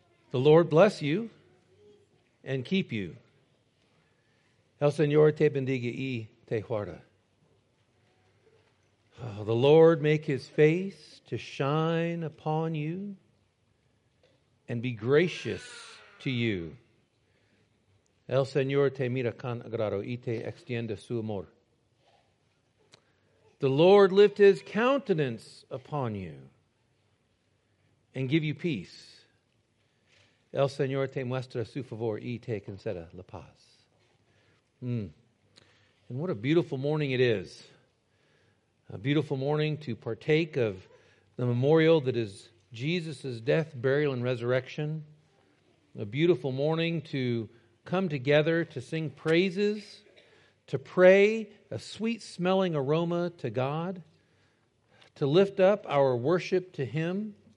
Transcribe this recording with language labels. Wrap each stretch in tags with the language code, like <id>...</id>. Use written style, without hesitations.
<en>The Lord bless you and keep you.</en> <es>El Señor te bendiga y te guarda.</es> <en>Oh, the Lord make his face to shine upon you and be gracious to you.</en> <es>El Señor te mira con agrado y te extiende su amor.</es> <en>The Lord lift his countenance upon you and give you peace.</en> <es>El Señor te muestra su favor y te concede la paz.</es> <en>And what a beautiful morning it is. A beautiful morning to partake of the memorial that is Jesus' death, burial, and resurrection. A beautiful morning to come together to sing praises, to pray, a sweet-smelling aroma to God, to lift up our worship to Him.</en>